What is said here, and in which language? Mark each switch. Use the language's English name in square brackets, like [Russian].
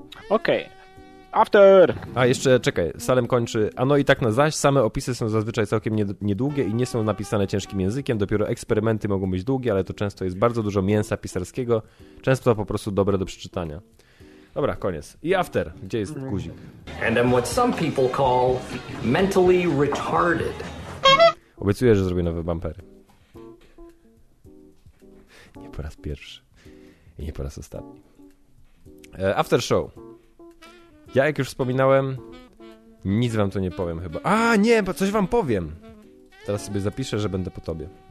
[English] Okej. Okay. After! [Polish] A jeszcze, czekaj, Salem kończy. A no i tak na zaś, same opisy są zazwyczaj całkiem niedługie i nie są napisane ciężkim językiem, dopiero eksperymenty mogą być długie, ale to często jest bardzo dużo mięsa pisarskiego, często po prostu dobre do przeczytania. Dobra, koniec. I after, gdzie jest guzik? [English] And I'm what some people call mentally retarded. [Polish] Obiecuję, że zrobię nowe bumpery. Nie po raz pierwszy. I nie po raz ostatni. [English] After show. [Polish] Ja, jak już wspominałem, nic wam tu nie powiem chyba. A, nie, bo coś wam powiem. Teraz sobie zapiszę, że będę po tobie.